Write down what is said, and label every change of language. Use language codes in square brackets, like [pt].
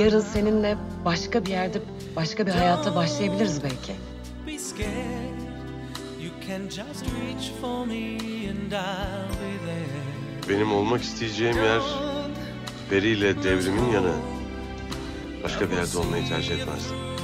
[tr] Yarın seninle başka bir yerde başka bir hayata başlayabiliriz belki. [en] Be scared. You can just reach for me and I'll be there. [tr] Benim olmak isteyeceğim yer Peri'yle devrimin yanı. Başka bir yerde olmayı tercih etmezdim.